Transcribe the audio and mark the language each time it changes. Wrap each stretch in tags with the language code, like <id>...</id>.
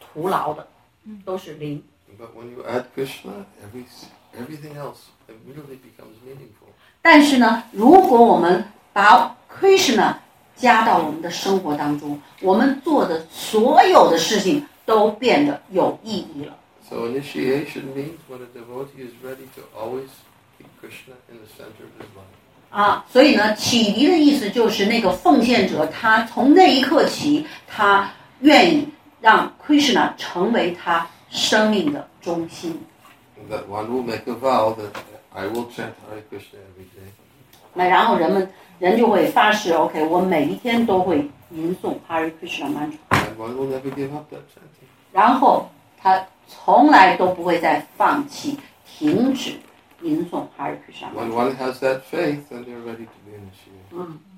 <zh>最终都是徒劳的，都是零。</zh> <en>But when you add Krishna, everything else immediately becomes meaningful.</en> <zh>但是呢，如果我们把 Krishna 加到我们的生活当中，我们做的所有的事情都变得有意义了。So</zh> <en>initiation means when a devotee is ready to always keep Krishna in the center of his life.</en> <zh>所以呢，启迪的意思就是那个奉献者，他从那一刻起，他愿意让 Krishna 成为他生命的中心。</zh> <en>That one will make a vow that I will chant Hare Krishna every day.</en> <zh>那然后人就会发誓 ，OK， 我每一天都会吟诵 Hare Krishna mantra.</zh> <en>And one will never give up that chanting.</en> <zh>然后他从来都不会再放弃，停止。</zh> <en>When one has that faith, then they're ready to be initiated.</en>